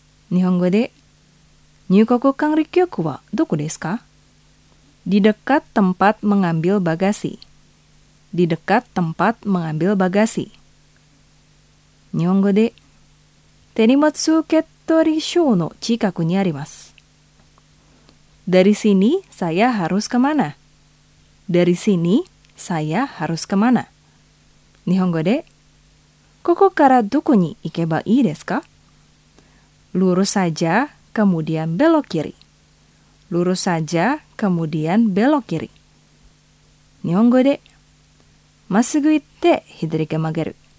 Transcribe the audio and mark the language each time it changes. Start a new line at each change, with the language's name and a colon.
Japanese: 日本語で入国管理局はどこですか?
Indonesian: Di dekat tempat mengambil bagasi. Di dekat tempat mengambil bagasi.
Japanese: 日本語で手荷物受け取り所の近くにあります。
Indonesian: Dari sini saya harus kemana? Dari sini saya harus kemana?
Japanese: 日本語でここからどこに行けばいいですか?
Indonesian: Lurus saja kemudian belok kiri. Lurus saja kemudian belok kiri.
Japanese: 日本語でまっすぐ行って左に曲がる。